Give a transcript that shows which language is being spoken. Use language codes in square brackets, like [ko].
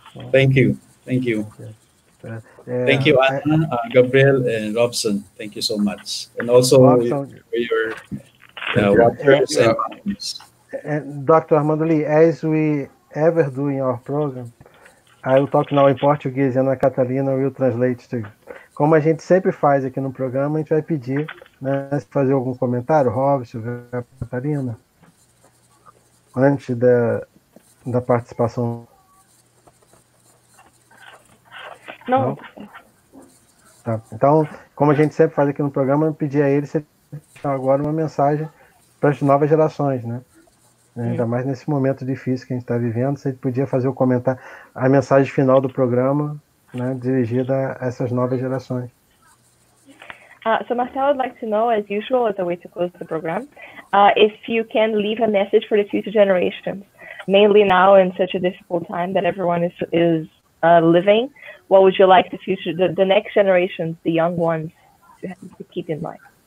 [en] Thank you. Thank you, Anna, Gabriel, and Robson. Thank you so much. And also for your watchers and comments. Dr. Armando Lee, as we ever do in our program, I will talk now in Portuguese, and Ana Catalina will translate to you. [pt] Como a gente sempre faz aqui no programa, a gente vai pedir, né, fazer algum comentário, Robson, Catarina, antes da participação. Não. Tá. Então, como a gente sempre faz aqui no programa, eu pedi a ele se ele deixar agora uma mensagem para as novas gerações, né? Ainda mais nesse momento difícil que a gente está vivendo, você podia fazer o comentário, a mensagem final do programa, né, dirigida a essas novas gerações. [en] So Marcel would like to know, as usual, as a way to close the program, if you can leave a message for the future generations, mainly now in such a difficult time that everyone is living, what would you like the future, the next generations, the young ones, to keep in mind?